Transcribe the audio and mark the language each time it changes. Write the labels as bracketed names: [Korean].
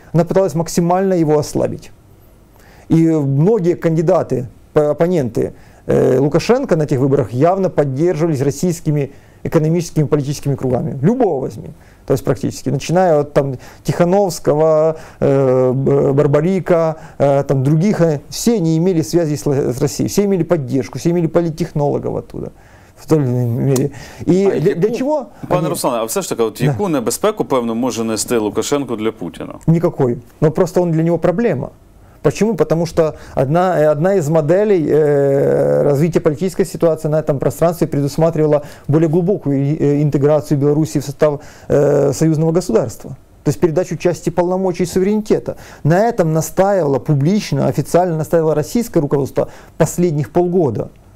[Russian] Она пыталась максимально его ослабить. И многие кандидаты, оппоненты Лукашенко на этих выборах явно поддерживались российскими экономическими и политическими кругами. Любого возьми. То есть практически, начиная от там, Тихановского, Барбарика, там, других, все они имели связи с Россией, все имели поддержку, все имели политтехнологов оттуда. В той или иной мере. Для чего? [Ukrainian] Пане Руслане, а все ж таки, яку небезпеку, певно, може нести Лукашенко для Путіна? [Russian] Никакой. Ну, просто он для него проблема. Почему? Потому что одна из моделей развития политической ситуации на этом пространстве предусматривала более глубокую интеграцию Беларуси в состав союзного государства. То есть передачу части полномочий и суверенитета. На этом настаивало публично, официально настаивало российское руководство последних полгода.